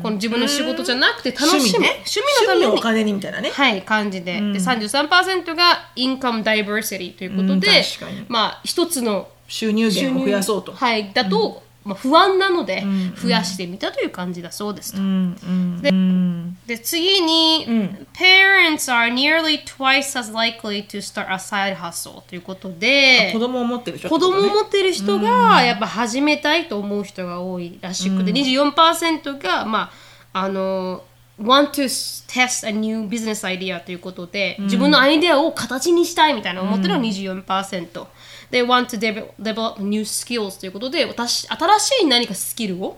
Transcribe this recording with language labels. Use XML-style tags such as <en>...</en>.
<ja>この自分の仕事じゃなくて楽しむ、ね、趣味のために趣味のお金にみたいなね、はい、感じ で、うん、で 33% がインカムダイバーシティということで、うん、確かに、まあ、一つの収入源を増やそうと、はい、だと、うん、まあ、不安なので増やしてみたという感じだそうですと、うんうん、で次に、うん、</ja> <en>Parents are nearly twice as likely to start a side hustle ということで、</en> <ja>子供を持ってる人、子供を持ってる人がやっぱ始めたいと思う人が多いらしくて、うん、24% が、まあ、あの</ja> <en>want to test a new business idea</en> <ja>ということで、うん、自分のアイデアを形にしたいみたいな思ってるのが 24%、うん、</ja> <en>They want to develop new skills</en> <ja>ということで、私新しい何かスキルを、</ja>